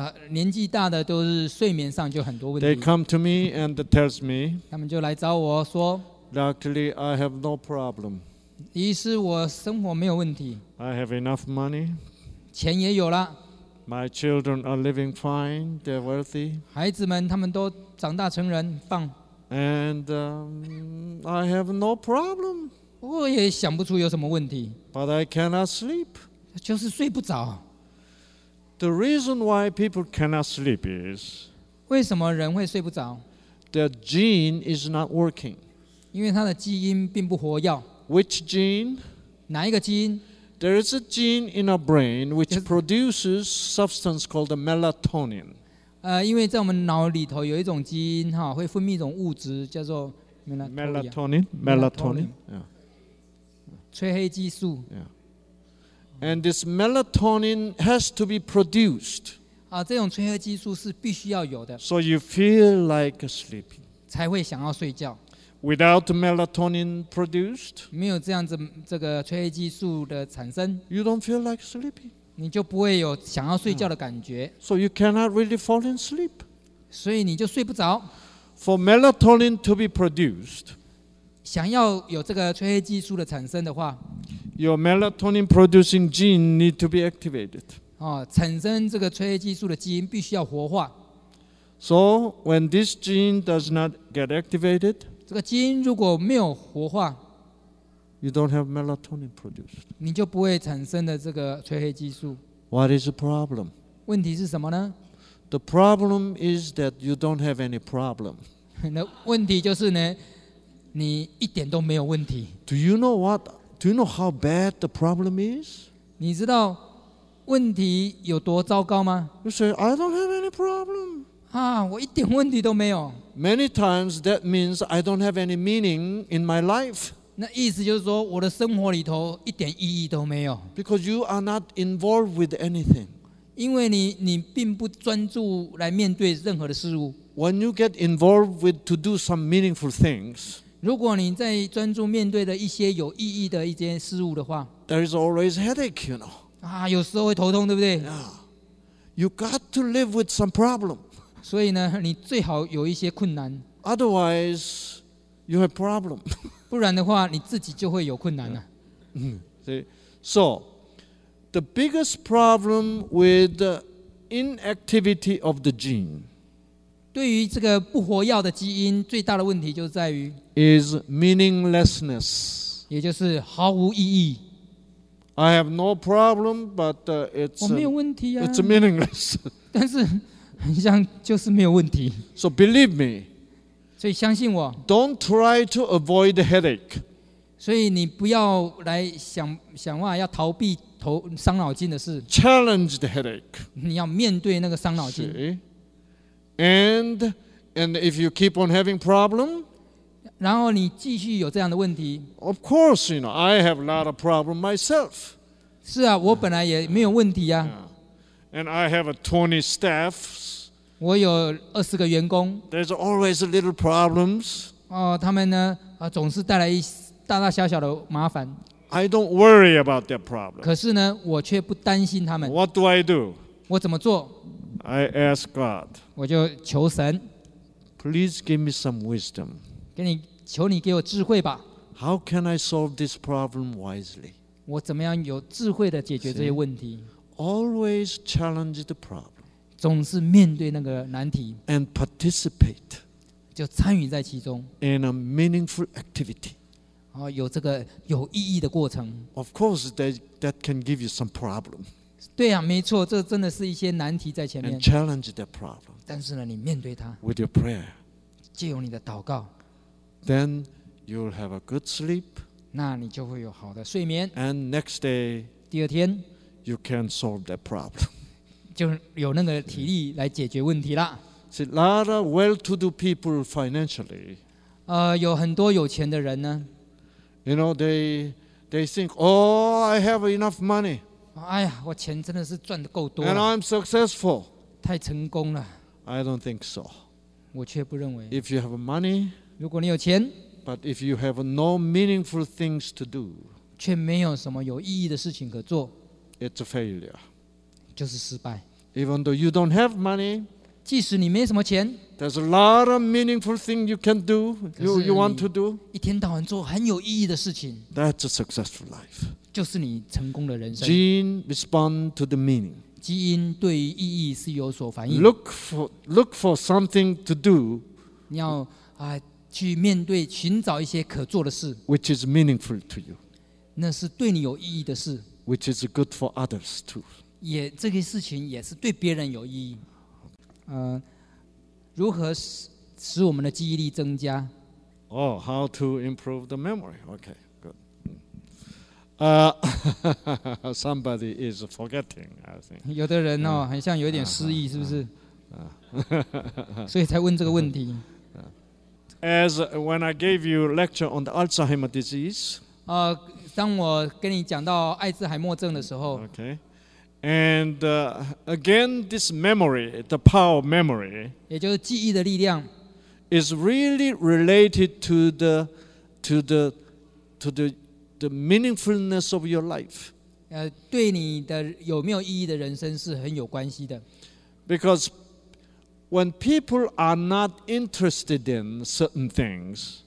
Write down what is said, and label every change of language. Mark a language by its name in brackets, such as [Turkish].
[Chinese] 年纪大的都是睡眠上就很多问题。 [English] They come to me and tells me. [Chinese] 他们就来找我说。 [English] Luckily, I have no problem. [Chinese] 医师，我生活没有问题。 [English] I have enough money. [Chinese] 钱也有了。 [English] My children are living fine. They're wealthy. [Chinese] 孩子们他们都长大成人，棒。 [English] And I have no problem. [Chinese] 我也想不出有什么问题。 [English] But I cannot sleep. [Chinese] 就是睡不着。 [English] The reason why people cannot sleep is [Chinese] 为什么人会睡不着？ [English] Their gene is not working. [Chinese] 因为他的基因并不活跃。 [English] Which gene? [Chinese] 哪一个基因？ [English] There is a gene in our brain which produces substance called melatonin. [Chinese] 因为在我们脑里头有一种基因哈，会分泌一种物质叫做 melatonin. [English] Melatonin. Melatonin. Yeah. [Chinese] 催黑激素。 [English] Yeah. And this melatonin has to be produced. [Chinese] 这种催黑激素是必须要有的。 [English] So you feel like sleeping. [Chinese] 才会想要睡觉。 [English] Without melatonin produced, [Chinese] 没有这样子这个催黑激素的产生 [English] you don't feel like sleeping. [Chinese] 你就不会有想要睡觉的感觉。 [English] So you cannot really fall asleep. [Chinese] 所以你就睡不着。 [English] For melatonin to be produced, [Chinese] 想要有这个催黑激素的产生的话， [English] your melatonin producing gene need to be activated. [Chinese] 产生这个催黑激素的基因必须要活化。 [English] So when this gene does not get activated, [Chinese] 这个基因如果没有活化， [English] You don't have melatonin produced. [Chinese] 你就不会产生的这个催黑激素。 [English] What is the problem? [Chinese] 问题是什么呢？ [English] The problem is that you don't have any problem. [Chinese] 那问题就是呢，你一点都没有问题。 [English] Do you know what? Do you know how bad the problem is? [Chinese] 你知道问题有多糟糕吗？ [English] You say I don't have any problem. [Chinese] 啊，我一点问题都没有。 [English] Many times that means I don't have any meaning in my life. [Chinese] 那意思就是说，我的生活里头一点意义都没有。 [English] Because you are not involved with anything. [Chinese] 因为你并不专注来面对任何的事物。 [English] When you get involved with to do some meaningful things, [Chinese] 如果你在专注面对的一些有意义的一些事物的话， [English] there is always headache, you know. [Chinese] 啊，有时候会头痛，对不对？ [English] Yeah. You got to live with some problem. [Chinese] 所以呢，你最好有一些困难。 [English] Otherwise, you have problem. [Chinese] 不然的话，你自己就会有困难 [English] 了。Yeah. So, the biggest problem with the inactivity of the gene, [Chinese] 对于这个不活药的基因，最大的问题就在于 [English] is meaninglessness, [Chinese] 也就是毫无意义。 [English] I have no problem, but it's [Chinese] 我没有问题啊。 [English] It's meaningless. [Chinese] 但是很像就是没有问题。 [English] So believe me. [Chinese] 所以相信我。 [English] Don't try to avoid the headache. [Chinese] 所以你不要来想办法要逃避头伤脑筋的事。 [English] Challenge the headache. [Chinese] 你要面对那个伤脑筋。 [English] And if you keep on having problem, [Chinese] 然后你继续有这样的问题。 [English] Of course, you know, I have a lot of problem myself. [Chinese] 是啊，我本来也没有问题啊。 [English] Yeah. And I have a 20 staffs. [Chinese] 我有二十个员工。 [English] There's always little problems. [Chinese] 哦，他们呢，总是带来一大大小小的麻烦。 [English] I don't worry about their problems. [Chinese] 可是呢，我却不担心他们。 [English] What do I do? [Chinese] 我怎么做 [English] ？I ask God. [Chinese] 我就求神。 [English] Please give me some wisdom. [Chinese] 给你，求你给我智慧吧。 [English] How can I solve this problem wisely? [Chinese] 我怎么样有智慧的解决这些问题 [English] ？Always challenge the problem. [Chinese] 总是面对那个难题 [English] ，and participate， [Chinese] 就参与在其中 [English] ，in a meaningful activity， [Chinese] 哦，有这个有意义的过程。 [English] Of course, that can give you some problem. [Chinese] 对啊，没错，这真的是一些难题在前面。 [English] And challenge that problem. [Chinese] 但是呢，你面对它 [English] ，with your prayer， [Chinese] 借由你的祷告 [English] ，then you'll have a good sleep. [Chinese] 那你就会有好的睡眠。 [English] And next day， [Chinese] 第二天 [English] ，you can solve that problem. [Chinese] 就有那个体力来解决问题了。 [English] See, a lot of well-to-do people financially. [Chinese] 有很多有钱的人呢。 [English] You know, they think, oh, I have enough money. [Chinese] 哎呀，我钱真的是赚得够多。 [English] And I'm successful. [Chinese] 太成功了。 [English] I don't think so. [Chinese] 我却不认为。 [English] If you have money, [Chinese] 如果你有钱 [English] ，but if you have no meaningful things to do, [Chinese] 却没有什么有意义的事情可做 [English] ，it's a failure. [Chinese] 就是失败。 [English] Even though you don't have money, [Chinese] 即使你没什么钱 [English] ，there's a lot of meaningful thing you can do, you want to do. [Chinese] 一天到晚做很有意义的事情 [English] ，that's a successful life. [Chinese] 就是你成功的人生。 [English] Gene respond to the meaning. [Chinese] 基因对于意义是有所反应。 [English] Look for something to do. [Chinese] 你要去面对寻找一些可做的事 [English] ，which is meaningful to you. [Chinese] 那是对你有意义的事 [English] ，which is good for others too. [Chinese] 也这个事情也是对别人有意义。如何使我们的记忆力增加？ [English] 哦、oh, ，how to improve the memory? Okay, good. somebody is forgetting, I think. [Chinese] 有的人哦，很像有点失忆，是不是？所以才问这个问题。 [English] As when I gave you lecture on the Alzheimer's disease. [Chinese] 当我跟你讲到艾滋海默症的时候。 [English] Okay. And again, this memory, the power of memory, [Chinese] 也就是记忆的力量 [English] is really related to the meaningfulness of your life. [Chinese] 对你的有没有意义的人生是很有关系的。 [English] Because when people are not interested in certain things,